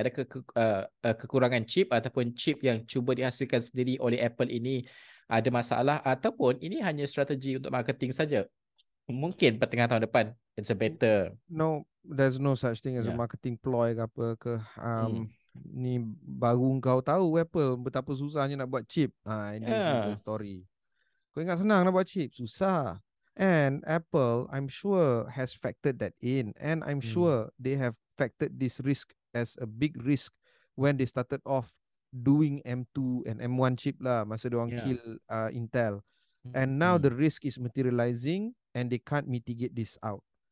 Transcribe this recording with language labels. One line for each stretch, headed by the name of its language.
Malay: Adakah kekurangan chip ataupun chip yang cuba dihasilkan sendiri oleh Apple ini ada masalah, ataupun ini hanya strategi untuk marketing saja? Mungkin pertengahan tahun depan
English: it's a better. No, there's no such thing as a marketing ploy
Malay: ke apa ke. Ni baru kau tahu Apple betapa susahnya nak buat chip. Ini
English: is the story.
Malay: Kau ingat senang nak buat chip? Susah.
English: And Apple, I'm sure, has factored that in. And I'm sure they have factored this risk as a big risk when they started off doing M2 and M1 chip lah.
Malay: Masa diorang kill Intel.
English: And now the risk is materializing and they can't mitigate this out.